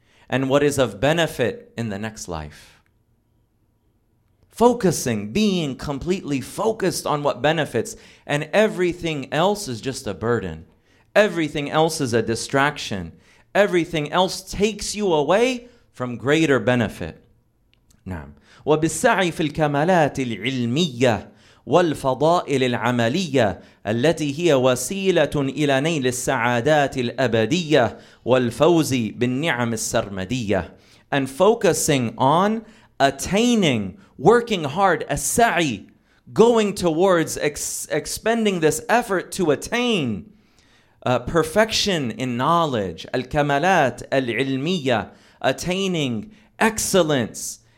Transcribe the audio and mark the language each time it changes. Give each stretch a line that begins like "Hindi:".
English: and what is of benefit in the next life. Focusing, being completely focused on what benefits, and everything else is just a burden. Everything else is a distraction. Everything else takes you away from greater benefit.
Arabic: نعم. وبالسعي في الكمالات العلمية والفضائل العملية التي هي وسيلة إلى نيل السعادات الأبدية والفوز بالنعم السرمدية.
English: And focusing on attaining, working hard,
Arabic: السعي,
English: going towards expending this effort to attain perfection in knowledge,
Arabic: الكمالات العلمية,
English: attaining excellence